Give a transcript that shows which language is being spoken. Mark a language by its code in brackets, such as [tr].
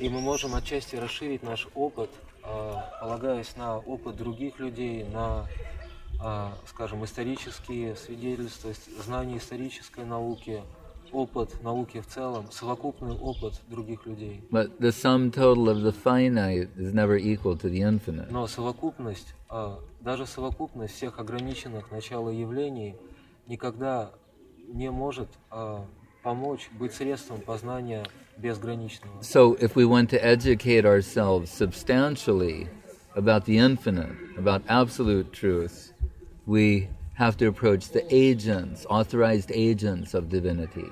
[ru] И мы можем отчасти расширить наш опыт, полагаясь на опыт других людей, на скажем, исторические свидетельства, знания исторической науки, опыт науки в целом, совокупный опыт других людей. [en] But the sum total of the finite is never equal to the infinite. [ru] Но совокупность, даже совокупность всех ограниченных начал и явлений никогда не может помочь быть средством познания безграничного. [en] So if we want to educate ourselves substantially about the infinite, about absolute truth, we have to approach the agents, authorized agents of divinity.